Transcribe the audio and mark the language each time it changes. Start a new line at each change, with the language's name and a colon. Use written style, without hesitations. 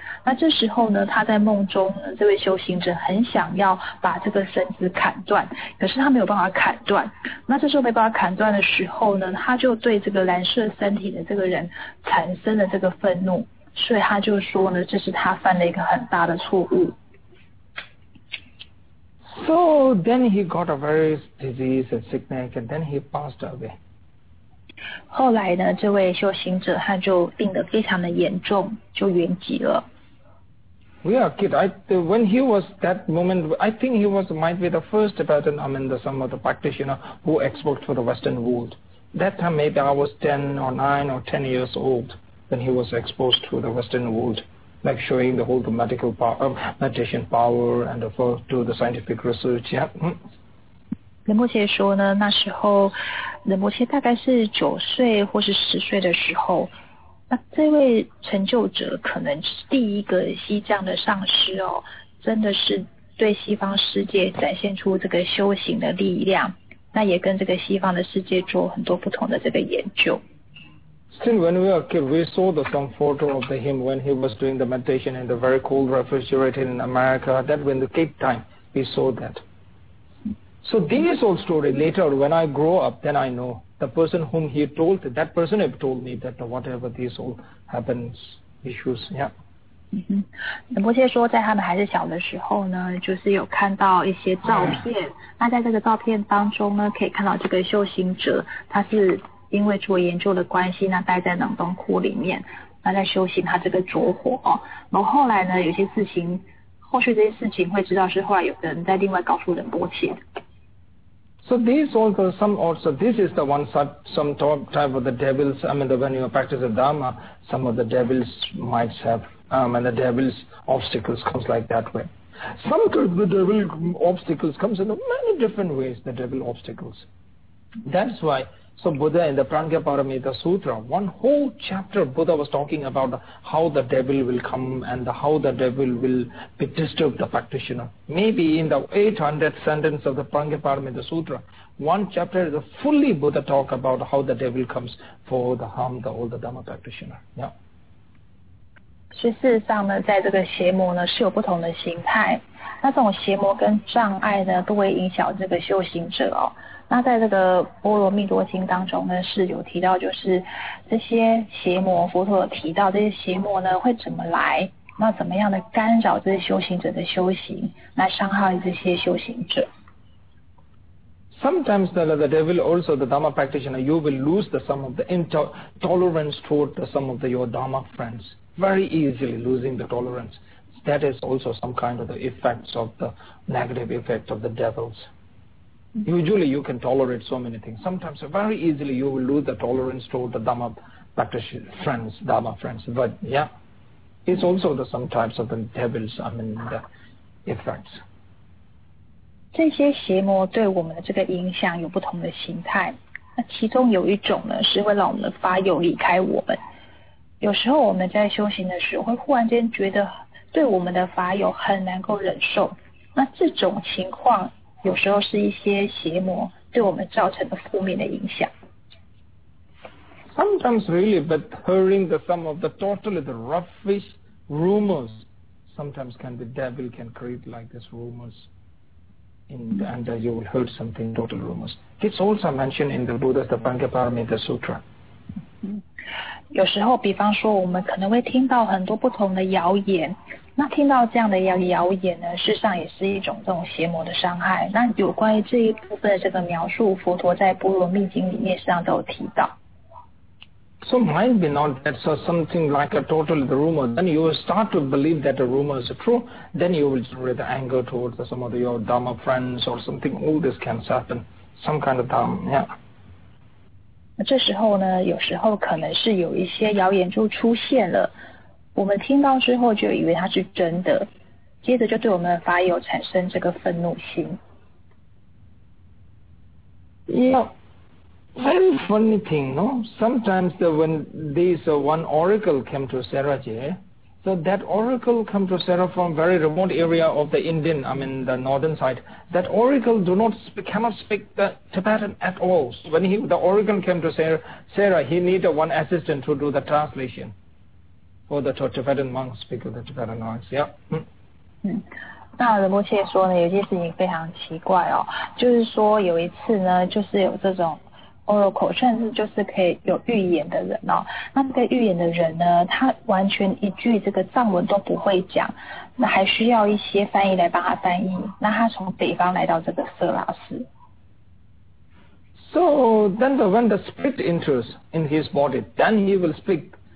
Chinese: 那这时候呢，他在梦中呢，这位修行者很想要把这个绳子砍断，可是他没有办法砍断。那这时候没办法砍断的时候呢，他就对这个蓝色身体的这个人产生了这个愤怒。所以他就说呢，这是他犯了一个很大的错误。
English: So then he got a very disease and sickness, and then he passed away.
Chinese: 后来呢，这位修行者他就病得非常的严重，就圆寂了。
English: We are kid. When he was that moment, I think he was might be the first person, I mean, some of the practitioner who exported for the Western world. That time maybe I was 10 or 9 or 10 years old. And he was exposed to the Western world, like showing the whole medical power, meditation power, and to the scientific research. Yeah.
Chinese: 仁波切说呢，那时候仁波切大概是9岁或是10岁的时候，那这位成就者可能是第一个西藏的上师哦，真的是对西方世界展现出这个修行的力量，那也跟这个西方的世界做很多不同的这个研究。
English: Still, when we were kids, we saw the some photo of the him when he was doing the meditation in the very cold refrigerator in America. That when the kid time, we saw that. So this old story later, when I grow up, then I know the person whom he told, that person have told me that whatever this all happens, issues, yeah.
Chinese: 嗯哼，波切说在他们还是小的时候呢，就是有看到一些照片。那在这个照片当中呢，可以看到这个修行者他是。因为做研究的关系那待在冷冻库里面那在修行他这个着火、哦、然后后来呢有些事情后续这些事情会知道是后来有个人在另外告诉仁波切
English: So these also some also this is the one some type of the devils I mean the, when you practice the Dharma some of the devils might have and the devils obstacles comes like that way sometimes the devil obstacles comes in many different ways the devil obstacles that's whySo Buddha in the Pranga Paramita Sutra, one whole chapter Buddha was talking about how the devil will come and how the devil will be disturbed the practitioner. Maybe in the 800th sentence of the Pranga Paramita Sutra, one chapter is a fully Buddha talk about how the devil comes for the harm the older Dhamma practitioner. Yeah.
Chinese: 所以事实上呢，在这个邪魔呢是有不同的形态，那这种邪魔跟障碍呢都会影响这个修行者哦。那在这个《波罗蜜多经》当中呢，是有提到，就是这些邪魔，佛陀有提到这些邪魔呢会怎么来，那怎么样的干扰这些修行者的修行，来伤害这些修行者。
English: Sometimes the devil also the Dharma practitioner, you will lose the some of the tolerance toward the some of the your Dharma friends. Very easily losing the tolerance. That is also some kind of the effects of the negative effect of the devils. Usually you can tolerate so many things. Sometimes very easily you will lose the tolerance toward the Dhamma practitioner friends, Dhamma friends. But yeah, it's also the some types of the devils, I mean, the effects.
Chinese: 这些邪魔对我们的这个影响有不同的形态。那其中有一种呢，是会让我们发愿离开我们。有时候我们在修行的时候，会忽然间觉得对我们的发愿很难够忍受。那这种情况有时候是一些邪魔对我们造成的负面的影响。
English: Sometimes really, but hearing the some of the totally the roughish rumors, sometimes can the devil can create like this rumors, in, and you will hear something total rumors. It's also mentioned in the Buddha's the Pancha Paramita Sutra.
Chinese: 有时候，比方说，我们可能会听到很多不同的谣言。那听到这样的谣言呢，事实上也是一种这种邪魔的伤害。那有关于这一部分的这个描述，佛陀在《波罗蜜经》里面实际上都有提到。
English: So might be not that so something like a total rumor. Then you will start to believe that the rumor is true. Then you will generate the anger towards some of your Dharma friends or something. All this can happen. Some kind of Dharma, yeah.
Chinese: 那这时候呢，有时候可能是有一些谣言就出现了。我们听到之后就以为它是真的，接着就对我们的法友产生这个愤怒心。
English: Yeah, very funny thing, no? Sometimes the, when this one oracle came to Saraje, so that oracle come to Sarah from very remote area of the Indian, I mean the northern side. That oracle do not speak, cannot speak the Tibetan at all. So when he, the oracle came to Sarah, he needed one assistant to do the translation. For the Tibetan monks, speak of the Tibetan monks, yeah.
Chinese: 那仁波切说呢，有些事情非常奇怪哦，就是说有一次呢，就是有这种 oracle， 算是就是可以有预言的人哦。那这个预言的人呢，他完全一句这个藏文都不会讲，那还需要一些翻译来帮他翻译。那他从北方来到这个色拉斯。
English: So then, when the spirit enters in his body, then he will speak.